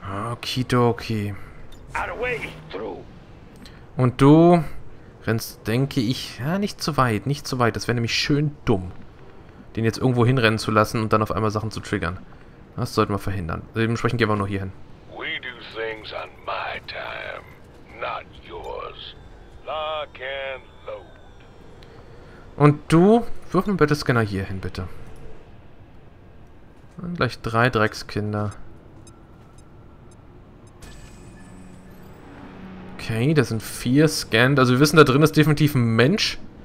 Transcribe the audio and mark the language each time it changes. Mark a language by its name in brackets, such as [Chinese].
[German] Okidoki. Und du... Rennst, denke ich, ja, nicht zu weit, nicht zu weit. Das wäre nämlich schön dumm, den jetzt irgendwo hinrennen zu lassen und dann auf einmal Sachen zu triggern. Das sollten wir verhindern. Dementsprechend gehen wir nur hier hin. [English] We do things on my time, not yours. Lock and load. [German] Und du, wirf mir bitte Scanner hier hin, bitte. Und gleich drei Dreckskinder. Okay, das sind vier Scanned. Also wir wissen, da drin ist definitiv ein Mensch.